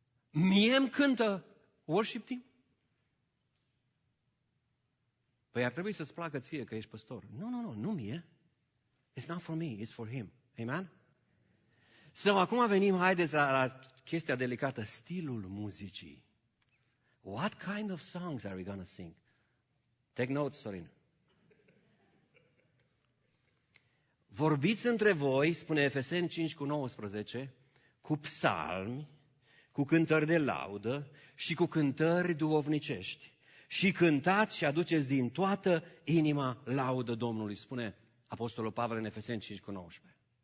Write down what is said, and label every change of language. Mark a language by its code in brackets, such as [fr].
[ro] Mie îmi cântă worship team? Păi ar trebui să-ți placă ție că ești păstor. Nu mie. [en] It's not for me, it's for him. [ro] Amen? Sau acum venim, haideți la chestia delicată, stilul muzicii. [en] What kind of songs are we going to sing? Take notes, Sorin. [ro] Vorbiți între voi, spune Efeseni 5:19, cu psalmi, cu cântări de laudă și cu cântări duhovnicești. Și cântați și aduceți din toată inima laudă Domnului, spune Apostolul Pavel în Efeseni 5:19.